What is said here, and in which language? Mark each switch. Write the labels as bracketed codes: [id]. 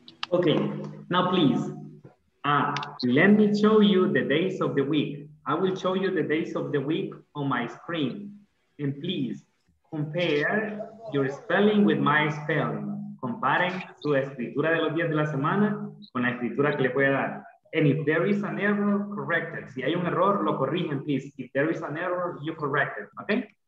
[en] Okay, now please, let me show you the days of the week. I will show you the days of the week on my screen. And please compare your spelling with my spelling. [es] Comparen su escritura de los días de la semana con la escritura que le voy a dar. [en] And if there is an error, correct it. [es] Si hay un error, lo corrigen, [en] please. If there is an error, you correct it, okay?